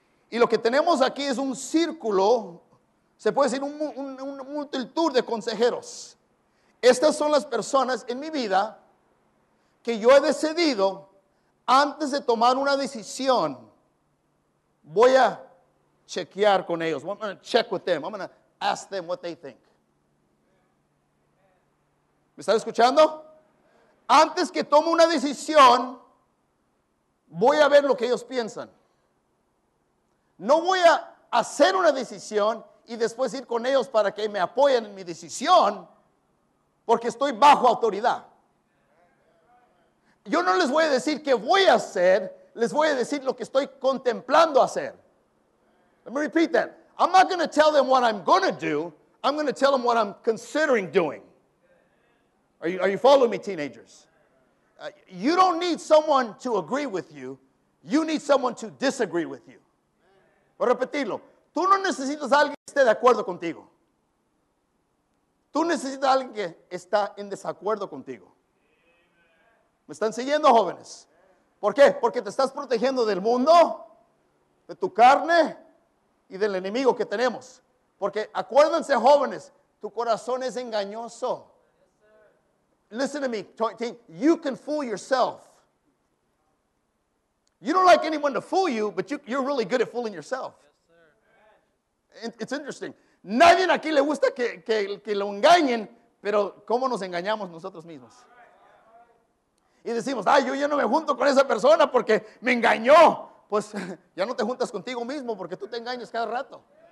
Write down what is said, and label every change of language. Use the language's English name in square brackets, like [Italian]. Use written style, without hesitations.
[Spanish] Y lo que tenemos aquí es un círculo, se puede decir un multitud de consejeros. Estas son las personas en mi vida que yo he decidido, antes de tomar una decisión, voy a chequear con ellos. [English] I'm going to check with them. I'm going to ask them what they think. [Spanish] ¿Me están escuchando? Antes que tome una decisión, voy a ver lo que ellos piensan. No voy a hacer una decisión y después ir con ellos para que me apoyen en mi decisión, porque estoy bajo autoridad. Yo no les voy a decir qué voy a hacer, les voy a decir lo que estoy contemplando hacer. [English] Let me repeat that. I'm not going to tell them what I'm going to do, I'm going to tell them what I'm considering doing. Are you following me, teenagers? You don't need someone to agree with you. You need someone to disagree with you. [Spanish] Voy a repetirlo. Tú no necesitas a alguien que esté de acuerdo contigo. Tú necesitas a alguien que está en desacuerdo contigo. ¿Me están siguiendo, jóvenes? ¿Por qué? Porque te estás protegiendo del mundo, de tu carne y del enemigo que tenemos. Porque acuérdense, jóvenes, tu corazón es engañoso. [English] Listen to me, you can fool yourself. You don't like anyone to fool you, but you're really good at fooling yourself. Yes, sir. It's interesting. [Spanish] Nadie aquí le gusta que lo engañen, pero ¿cómo nos engañamos nosotros mismos? Y decimos, yo no me junto con esa persona porque me engañó. Pues ya no te juntas contigo mismo porque tú te engañas cada rato.